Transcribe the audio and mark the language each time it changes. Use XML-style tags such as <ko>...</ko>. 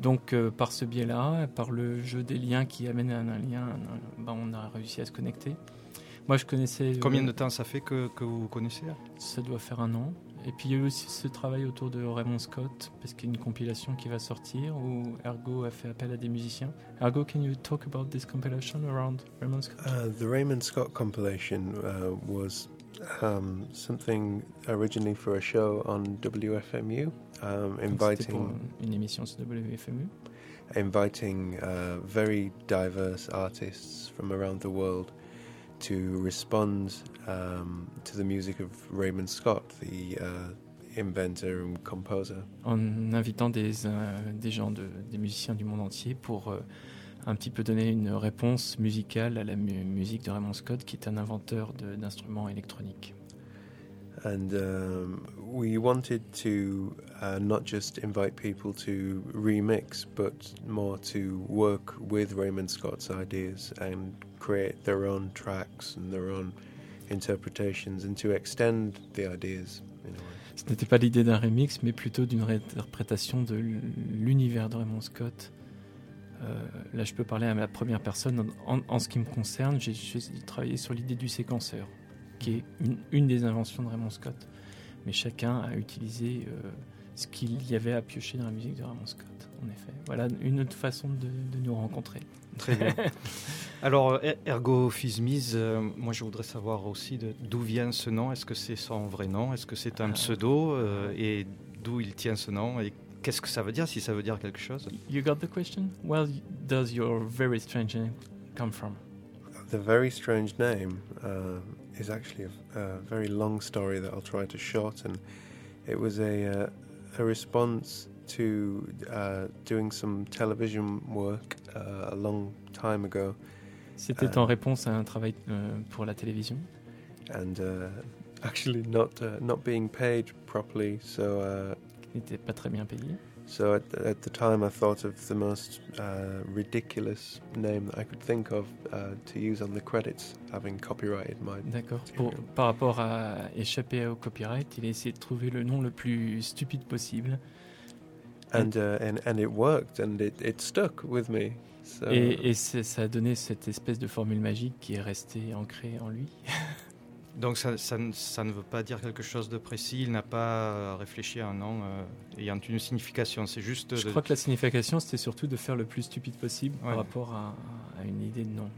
<fr>Donc, par ce biais-là, par le jeu des liens qui amène à un lien, on a réussi à se connecter. Moi, je connaissais... Combien de temps ça fait que vous vous connaissez? Ça doit faire un an. Et puis, il y a eu aussi ce travail autour de Raymond Scott, parce qu'il y a une compilation qui va sortir où Ergo a fait appel à des musiciens.</fr> <en>Ergo, can you talk about this compilation around Raymond Scott? The Raymond Scott compilation was something originally for a show on WFMU. Inviting</en> <fr>une émission sur WFMU.</fr> <en>Inviting very diverse artists from around the world to respond to the music of Raymond Scott, the inventor and composer.</en> <fr>En invitant des musiciens du monde entier pour un petit peu donner une réponse musicale à la musique de Raymond Scott, qui est un inventeur d'instruments électroniques.</fr> <en>And we wanted to not just invite people to remix, but more to work with Raymond Scott's ideas and create their own tracks and their own interpretations and to extend the ideas in a way.</en> <fr>Ce n'était pas l'idée d'un remix, mais plutôt d'une réinterprétation de l'univers de Raymond Scott. Là, je peux parler à ma première personne. En ce qui me concerne, j'ai travaillé sur l'idée du séquenceur. qui est une des inventions de Raymond Scott. Mais chacun a utilisé ce qu'il y avait à piocher dans la musique de Raymond Scott, en effet. Voilà une autre façon de nous rencontrer. Très bien. Alors, Ergo Fizmiz, moi je voudrais savoir aussi d'où vient ce nom. Est-ce que c'est son vrai nom? Est-ce que c'est un pseudo? Et d'où il tient ce nom? Et qu'est-ce que ça veut dire, si ça veut dire quelque chose?</fr> <en>You got the question? Well, does your very strange name come from? The very strange name is actually a very long story that I'll try to shorten. It was a response to doing some television work a long time ago.</en> <fr>C'était en réponse à un travail pour la télévision.</fr> <en>And actually not being paid properly, so</en> <fr>n'était pas très bien payé.</fr> <en>So at the time I thought of the most ridiculous name that I could think of to use on the credits, having copyrighted my...</en> <fr>D'accord. Pour, par rapport à échapper au copyright, il a essayé de trouver le nom le plus stupide possible.</fr> <en>And it worked, and it stuck with me. So</en> <fr>et ça a donné cette espèce de formule magique qui est restée ancrée en lui. Donc ça ne veut pas dire quelque chose de précis. Il n'a pas réfléchi à un nom ayant une signification. C'est juste. Je crois que la signification, c'était surtout de faire le plus stupide possible par rapport à une idée de nom.</fr>